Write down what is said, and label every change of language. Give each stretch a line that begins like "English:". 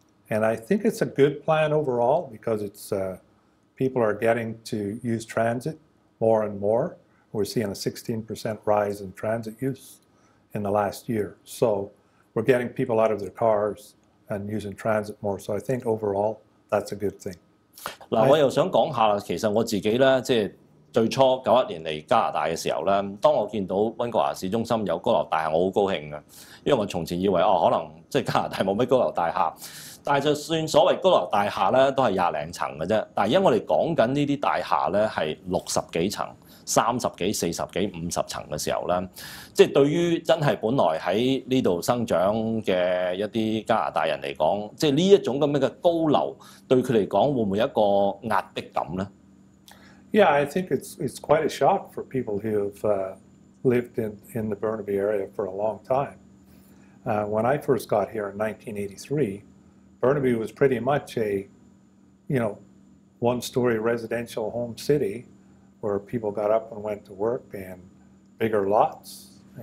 English: And I think it's a good plan overall because it's people are getting to use transit more and more. We're seeing a 16% rise in transit use in the last year. So we're getting people out of their cars and using transit more. So I think overall, that's a good thing.
Cantonese: 我又想講下，其實我自己即最初91年來加拿大的時候，當我見到溫哥華市中心有高樓大廈，我很高興，因為我從前以為可能即加拿大沒有高樓大廈，但就算所謂高樓大廈都是20多層，但現在我們講的這些大廈是60多層、30幾、40幾、50層的時候，即對於真係本來在呢度生長的一些加拿大人嚟講，即呢一種咁樣嘅高樓對佢嚟講會唔會有一個壓迫感咧
English: ？Yeah, I think it's quite a shock for people who have lived in the Burnaby area for a long time. When I first got here in 1983, Burnaby was pretty much a, you know, one-story residential home city, where people got up and went to work and bigger lots.